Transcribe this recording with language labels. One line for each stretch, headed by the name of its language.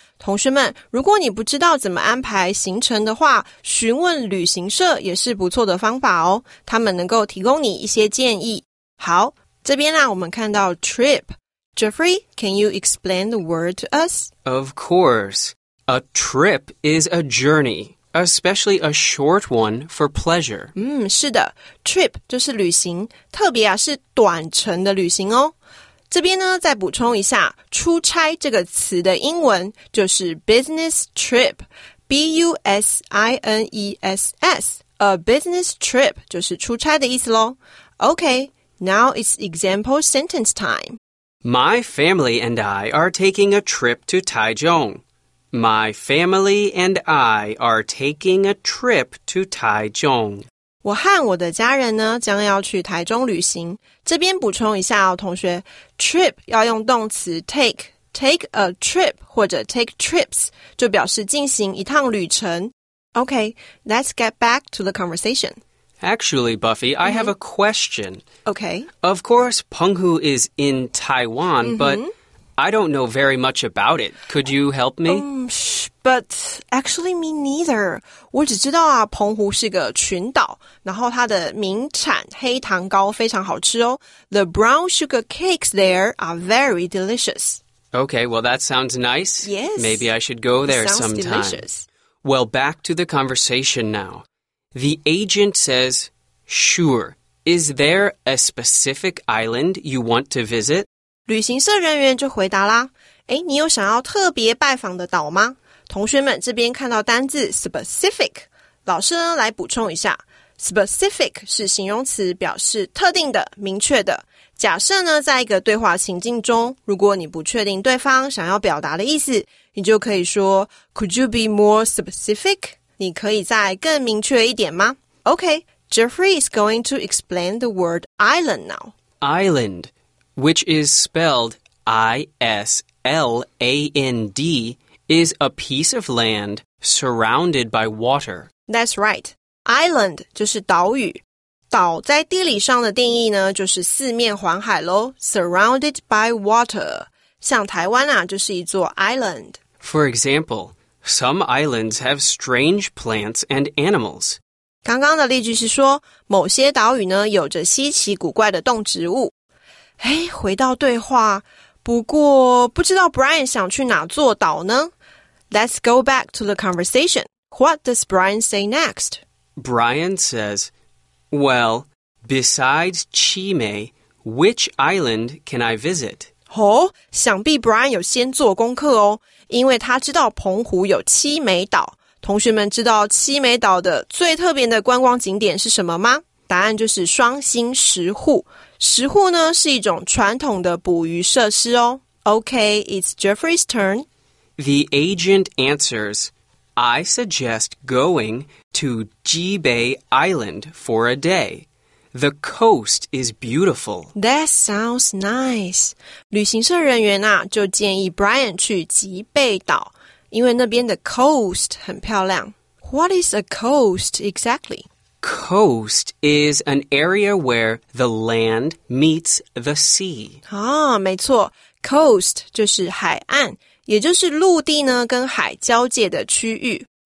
Chinese: 同学们，如果你不知道怎么安排行程的话，询问旅行社也是不错的方法哦。他们能够提供你一些建议。好，这边呢，我们看到 trip.
English: Jeffrey, can you explain the word to us? Of course. A trip is a journey. Especially a short one for pleasure.
Chinese: 是的 ,trip 就是旅行,特别啊是短程的旅行哦。这边呢再补充一下,出差这个词的英文就是 business trip, B-U-S-I-N-E-S-S, a business trip 就是出差的意思咯。
English: Okay, now it's example sentence time. My family and I are taking a trip to Taichung. My family and I are taking a trip to Taichung.
Chinese: 我和我的家人呢将要去台中旅行。这边补充一下哦，同学 ，trip 要用动词 take a trip 或者 take trips 就表示进行一趟旅程。
English: Okay, let's get back to the conversation. Actually, Buffy, I have a question. Okay. Of course, Penghu is in Taiwan, but I don't know very much about it. Could you help me? But actually, me neither.
Chinese: 我只知道啊，澎湖是个群岛，然后它的名产黑糖糕非常好吃哦。
English: The brown sugar cakes there are very delicious. Okay, well, that sounds nice. Yes. Maybe I should go there sometime. Sounds delicious. Well, back to the conversation now. The agent says, sure. Is there a specific island you want to visit?
Chinese: 旅行社人员就回答啦，诶，你有想要特别拜访的岛吗？同学们这边看到单字 specific， 老师呢来补充一下， specific 是形容词，表示特定的、明确的。假设呢，在一个对话情境中，如果你不确定对方想要表达的意思，你就可以说
English: Could you be more specific？
Chinese: 你可以再更明确一点吗？
English: OK， Jeffrey is going to explain the word island now. Islandwhich is spelled I-S-L-A-N-D, is a piece of land surrounded by water. That's right. Island
Chinese: 就是岛屿。岛在地理上的定义呢，就是四面环海咯。
English: Surrounded by water.
Chinese: 像台湾啊，就是一座 island.
English: For example, some islands have strange plants and animals.
Chinese: 刚刚的例句是说，某些岛屿呢，有着稀奇古怪的动植物。诶，回到对话，不过不知道 Brian 想去哪座岛呢？
English: Let's go back to the conversation. What does Brian say next? Brian says, well, besides Chime, which island can I visit?
Chinese: 哦，想必 Brian 有先做功课哦，因为他知道澎湖有七美岛。同学们知道七美岛的最特别的观光景点是什么吗？答案就是双星石户。石户呢是一种传统的捕鱼设施哦。
English: Okay, it's Jeffrey's turn. The agent answers, I suggest going to Jibei Island for a day. The coast is beautiful. That sounds nice.
Chinese: 旅行社人员啊就建议 Brian 去吉贝岛，因为那边的 coast 很漂亮。
English: What is a coast exactly? Coast is an area where the land meets the sea.
Chinese: 啊，没错 ，coast 就是海岸，也就是陆地呢跟海交界的区域。